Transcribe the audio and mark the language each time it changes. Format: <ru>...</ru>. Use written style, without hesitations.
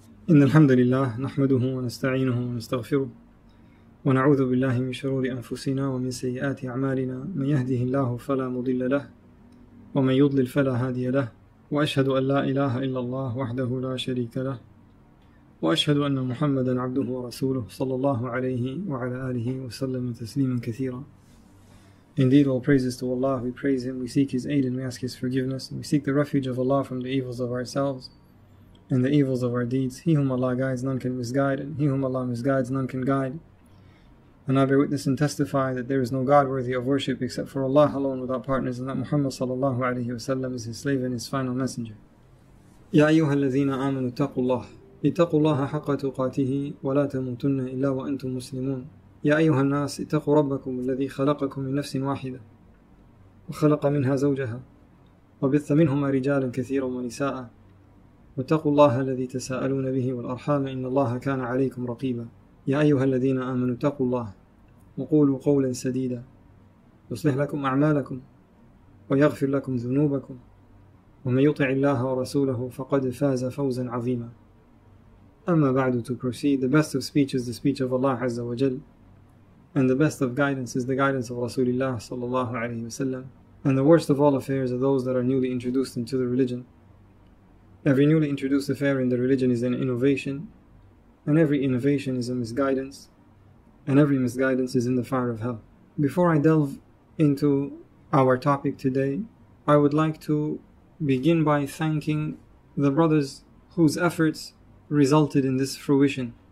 <ar>إن الحمد لله نحمده ونستعينه ونستغفره ونعوذ بالله من شرور أنفسنا ومن سيئات أعمالنا من يهده الله فلا مضل له ومن يضلل فلا هادي له وأشهد أن لا إله إلا الله وحده لا شريك له وأشهد أن محمدا عبده ورسوله صلى الله عليه وعلى آله وسلم تسليما كثيرا.</ar> <en>Indeed, all praises to Allah, we praise Him, we seek His aid and we ask His forgiveness, and we seek the refuge of Allah from the evils of ourselves and the evils of our deeds. He whom Allah guides, none can misguide, and he whom Allah misguides, none can guide. And I bear witness and testify that there is no God worthy of worship except for Allah alone without partners, and that Muhammad sallallahu alayhi wa sallam is His slave and His final messenger.</en> <ar>Ya ayyuha allatheena amanu taqullah. Ittaqullaha haqqa tuqatihi wa la tamutunna illa wa antum muslimun. يا أيها الناس اتقوا ربكم الذي خلقكم من نفس واحدة وخلق منها زوجها وبث منهما رجالا كثيرا ونساء واتقوا الله الذي تساءلون به والأرحام إن الله كان عليكم رقيبا يا أيها الذين آمنوا اتقوا الله وقولوا قولا سديدا يصلح لكم أعمالكم ويغفر لكم ذنوبكم ومن يطع الله ورسوله فقد فاز فوزا عظيما أما بعد</ar> <en>to proceed, the best of speech is the speech of Allah</en> <ar>عز وجل.</ar> <en>And the best of guidance is the guidance of Rasulullah sallallahu alayhi wa sallam. And the worst of all affairs are those that are newly introduced into the religion. Every newly introduced affair in the religion is an innovation, and every innovation is a misguidance, and every misguidance is in the fire of hell. Before I delve into our topic today, I would like to begin by thanking the brothers whose efforts resulted in this fruition.</en>